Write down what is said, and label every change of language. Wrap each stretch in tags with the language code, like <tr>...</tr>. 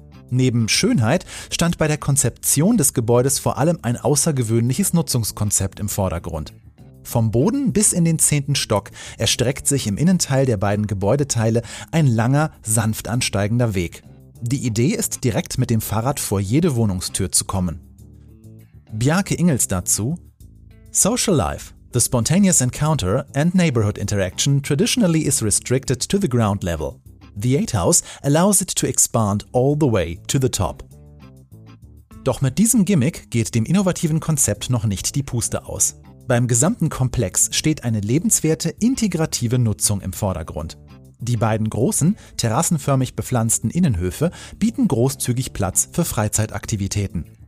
<de>Neben Schönheit stand bei der Konzeption des Gebäudes vor allem ein außergewöhnliches Nutzungskonzept im Vordergrund. Vom Boden bis in den 10. Stock erstreckt sich im Innenteil der beiden Gebäudeteile ein langer, sanft ansteigender Weg. Die Idee ist, direkt mit dem Fahrrad vor jede Wohnungstür zu kommen.</de> <en>Bjarke Ingels dazu: Social life, the spontaneous encounter and neighborhood interaction traditionally is restricted to the ground level. The Eight House allows it to expand all the way to the top.</en> <de>Doch mit diesem Gimmick geht dem innovativen Konzept noch nicht die Puste aus. Beim gesamten Komplex steht eine lebenswerte, integrative Nutzung im Vordergrund. Die beiden großen, terrassenförmig bepflanzten Innenhöfe bieten großzügig Platz für Freizeitaktivitäten.</de>